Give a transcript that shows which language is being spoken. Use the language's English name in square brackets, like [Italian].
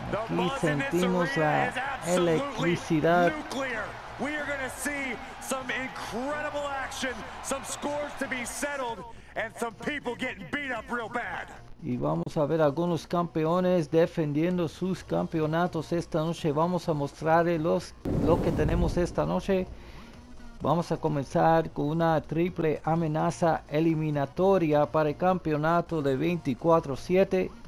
[Spanish] Aquí sentimos la electricidad. [English] We are going to see some incredible action, some scores to be settled, and some people getting beat up real bad. [Spanish] Y vamos a ver algunos campeones defendiendo sus campeonatos esta noche. Vamos a mostrarles lo que tenemos esta noche. Vamos a comenzar con una triple amenaza eliminatoria para el campeonato de 24-7.